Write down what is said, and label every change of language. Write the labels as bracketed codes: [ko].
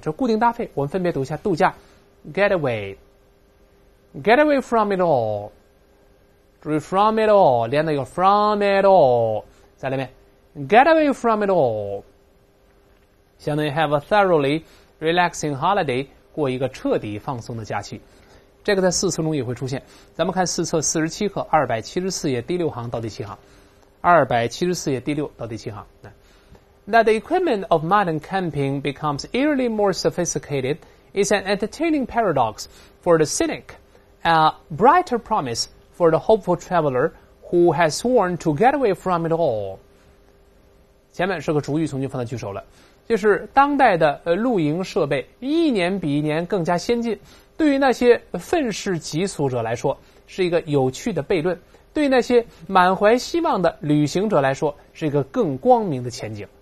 [zh] 这固定搭配，我们分别读一下：度假 [en] get away， get away from it all， [zh] 注意 [en] from it all [zh] 连到一个 from it all， 再来一遍 get away from it all， 相当于 [en] have a thoroughly relaxing holiday， [zh] 过一个彻底放松的假期。这个在四册中也会出现，咱们看四册47课274页第六行到第七行，274页第六到第七行。 [en] That the equipment of modern camping becomes eerily more sophisticated is an entertaining paradox for the cynic, a brighter promise for the hopeful traveler who has sworn to get away from it all. [zh] 前面是个主语从句，放在句首了，就是当代的露营设备一年比一年更加先进，对于那些愤世嫉俗者来说是一个有趣的悖论，对于那些满怀希望的旅行者来说是一个更光明的前景。